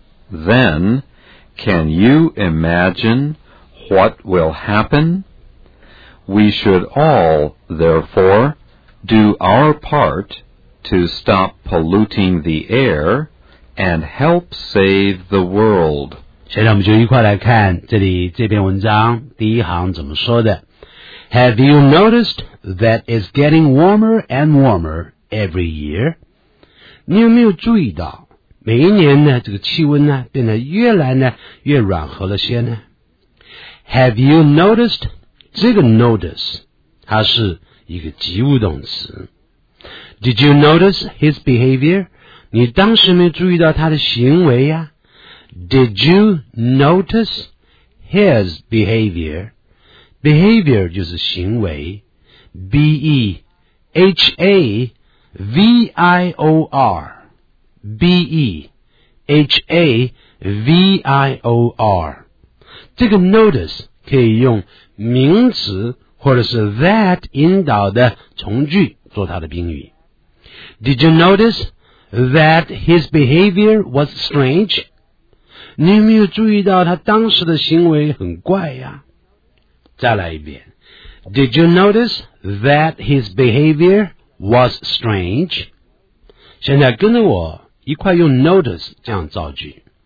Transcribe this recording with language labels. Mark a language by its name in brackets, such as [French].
[English] Then, can you imagine what will happen? We should all, therefore, do our part to stop polluting the air and help save the world. [Chinese] 现在我们就一块来看这里这篇文章第一行怎么说的。 [English] Have you noticed that it's getting warmer and warmer every year? [Chinese] 你有没有注意到每一年呢这个气温呢变得越来呢越暖和了些呢？ [English] Have you noticed? [Chinese] 这个 notice 它是一个及物动词。 [English] Did you notice his behavior? [Chinese] 你当时没注意到他的行为呀？ [English] Did you notice his behavior? [Chinese] Behavior 就是行为， B-E-H-A V-I-O-R B-E-H-A-V-I-O-R 这个 notice 可以用名词或者是 that 引导的从句做它的宾语。 [English] Did you notice that his behavior was strange? [Chinese] 你有没有注意到他当时的行为很怪呀？再来一遍。 [English] Did you notice that his behaviorwas strange? [Chinese] 现在跟着我一块用 notice 这样造句。